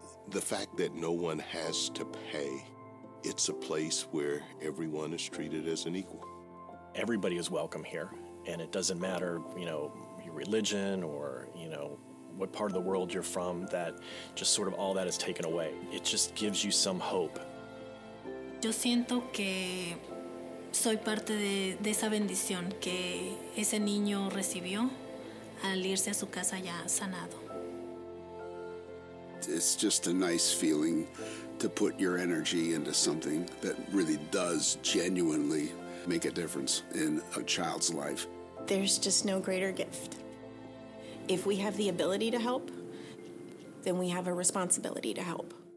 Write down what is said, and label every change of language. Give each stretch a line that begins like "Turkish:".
English: The fact that no one has to pay, it's a place where everyone is treated as an equal. Everybody is welcome here, and it doesn't matter, you know, your religion or, you know, what part of the world you're from, that just sort of all that is taken away. It just gives you some hope.
Spanish: Yo siento que soy parte de esa bendición que ese niño recibió al irse a su casa ya sanado.
English: It's just a nice feeling to put your energy into something that really does genuinely make a difference in a child's life. There's just no greater gift. If we have the ability to help, then we have a responsibility to help.